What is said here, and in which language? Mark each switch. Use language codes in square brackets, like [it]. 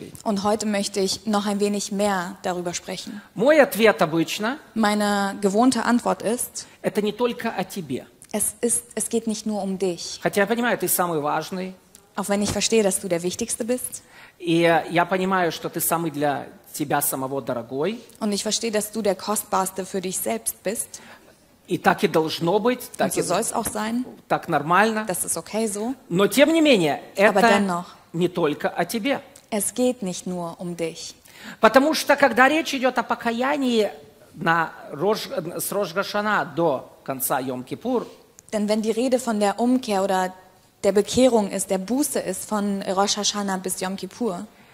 [de] Und heute möchte ich noch ein wenig mehr darüber sprechen. Meine gewohnte Antwort ist, es geht nicht nur um dich. Auch wenn ich verstehe, dass du der Wichtigste bist. [ru] И я понимаю, что ты самый для тебя самого дорогой. [de] Und ich verstehe, dass du der kostbarste für dich selbst bist. [ru] И так и должно быть. [de] Так soll es auch sein. [ru] Так нормально. [de] Das ist okay so. [ru] Но тем не менее, [de] Aber [ru] это [de] dennoch, [ru] не только о тебе. [de] Es geht nicht nur um dich. [ru] Потому что когда речь идет о покаянии на с Рожгашана до конца Йом-Кипур, [de] denn wenn die Rede von der Umkehr oder der Bekehrung ist, der Buße ist von Rosh Hashanah bis Yom Kippur,